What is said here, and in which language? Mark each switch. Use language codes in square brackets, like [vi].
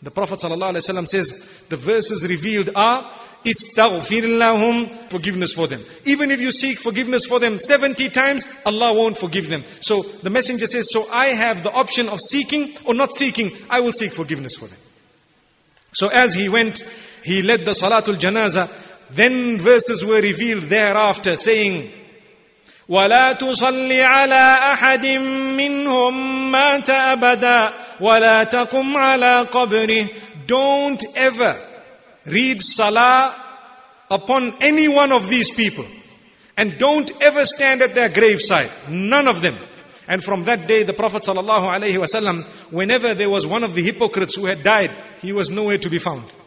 [en] The Prophet sallallahu alaihi wasallam says, the verses revealed are, [ar] استغفر لهم, [en] forgiveness for them. Even if you seek forgiveness for them 70 times, Allah won't forgive them. So the messenger says, so I have the option of seeking or not seeking. I will seek forgiveness for them. So as he went, he led the Salatul Janazah. Then verses were revealed thereafter saying, [ar] وَلَا تُصَلِّ عَلَىٰ أَحَدٍ مِّنْهُمْ مَاتَ أَبَدًا وَلَا تَقُمْ عَلَىٰ قَبْرِهِ. [en] Don't ever read salah upon any one of these people. And don't ever stand at their graveside. None of them. And from that day, the Prophet sallallahu alayhi wa sallam, whenever there was one of the hypocrites who had died, he was nowhere to be found.